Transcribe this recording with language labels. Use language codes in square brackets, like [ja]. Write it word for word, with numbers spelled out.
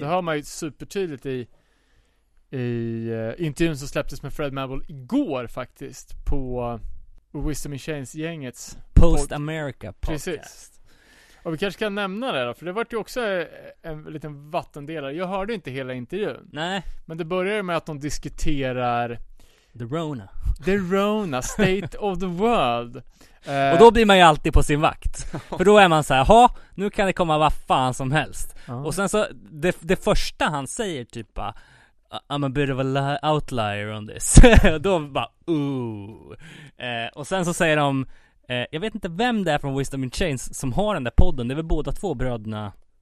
[sv] Det hör man ju supertydligt i I uh, intervjun som släpptes med Fred Madball igår faktiskt på uh, Wisdom in Chains-gängets Post America podcast. Precis. Och vi kanske kan nämna det då, för det var ju också en liten vattendelare. Jag hörde inte hela intervjun. Nej. Men det börjar med att de diskuterar [en] The Rona. The Rona, state of the world. [sv] Uh, och då blir man ju alltid på sin vakt. För då är man så här, ha, nu kan det komma vad fan som helst. Uh. Och sen så, det, det första han säger typ bara, [en] I'm a bit of a li- outlier on this. [sv] Då bara, ooh. Eh, och sen så säger de, eh, jag vet inte vem det är från Wisdom in Chains som har den där podden. Det är väl båda två bröderna